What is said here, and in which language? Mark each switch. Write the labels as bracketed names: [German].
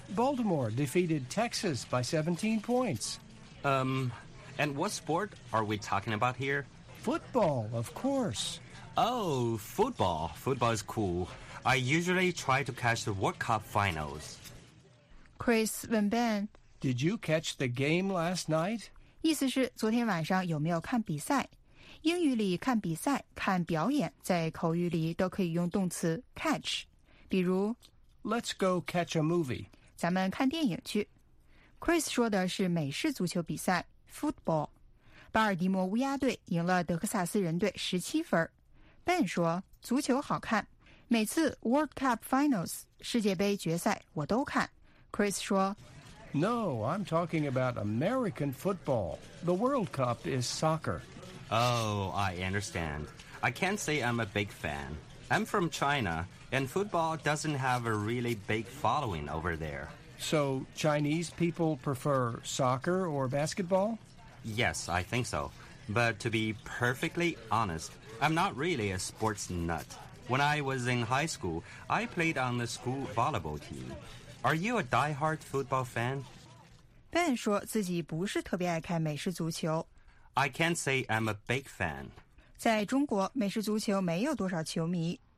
[English] Baltimore defeated Texas by 17 points. And what sport are we talking about here? Football, of course. Oh, football. Football is cool. I usually try to catch the World Cup finals. [Chinese] Chris 问 Ben, [English] Did you catch the game last night? [Chinese] 意思是昨天晚上有没有看比赛。英语里看比赛、看表演在口语里都可以用动词 catch。比如 [English] Let's go catch a movie. [Chinese] 咱们看电影去。Chris 说的是美式足球比赛 ,football。巴尔的摩乌鸦队赢了德克萨斯人队17分。 Ben 说足球好看每次 World Cup Finals 世界杯决赛我都看 Chris 说 [English] No, I'm talking about American football The World Cup is soccer Oh, I understand I can't say I'm a big fan I'm from China And football doesn't have a really big following over there So Chinese people prefer soccer or basketball? Yes, I think so But to be perfectly honestI'm not really a sports nut. When I was in high school, I played on the school volleyball team. Are you a diehard football fan? [Chinese] Ben 说自己不是特别爱看美式足球。 [English] I can't say I'm a big fan. [Chinese] 在中国，美式足球没有多少球迷。